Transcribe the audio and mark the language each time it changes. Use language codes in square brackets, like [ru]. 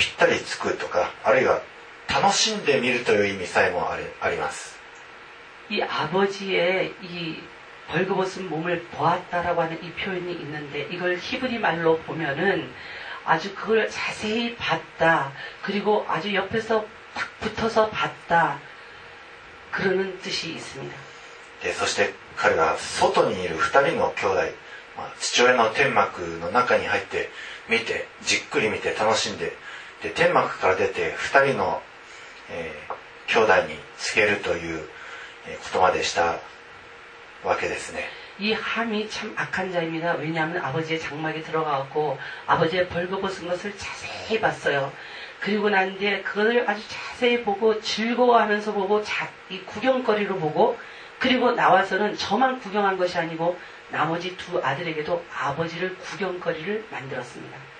[ja] この父の裸を見てとあるんですが、この見るというこのヘブライ語はじっくりと見る、すぐそばにぴったりつくとか、あるいは 楽しんで見るという意味さえもあります。 [ko] 이 아버지의 이 벌거벗은 몸을 보았다라고 하는 이 표현이 있는데 이걸 히브리 말로 보면은 아주 그걸 자세히 봤다. 그리고 아주 옆에서 딱 붙어서 봤다. 그러는 뜻이 있습니다. [ja] 네, そして彼が外にいる二人の兄弟、父親の天幕の中に入って見て、じっくり見て楽しんで、で、天幕から出て二人の 兄弟に 付ける ということまでしたわけですね。 [ko] 이 함이 참 악한 자입니다. 왜냐하면 아버지의 장막에 들어가고 아버지의 벌거벗은 것을 자세히 봤어요. 그리고 난 뒤에 그것을 아주 자세히 보고 즐거워하면서 보고 이 구경거리로 보고 그리고 나와서는 저만 구경한 것이 아니고 나머지 두 아들에게도 아버지를 구경거리를 만들었습니다.